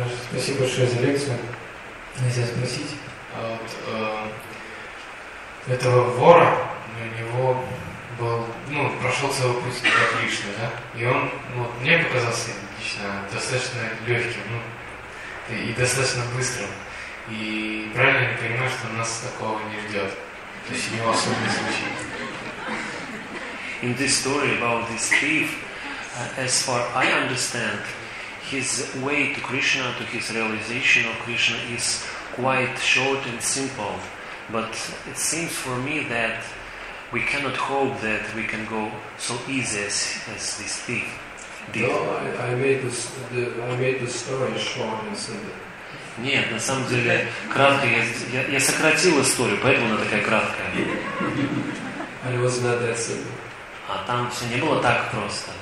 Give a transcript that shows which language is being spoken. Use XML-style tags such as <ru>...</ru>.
<ru>Спасибо большое за лекцию. Нельзя спросить. А вот этого вора, у него был, ну, прошел целый путь от Кришны, да? И он, ну, вот мне показался лично достаточно легким, ну, и достаточно быстрым. И правильно я понимаю, что нас такого не ждет. То есть у него особенный случай.</ru> <en>In this story about this thief, as far I understand, his way to Krishna, to his realization of Krishna is quite short and simple. But it seems for me that we cannot hope that we can go so easy as this thief. No, I made the story short and simple.</en> <ru>Нет, на самом деле кратко. Я сократил историю, поэтому она такая краткая.</ru> <en>It was not that simple.</en> <ru>А там все не было так просто.</ru>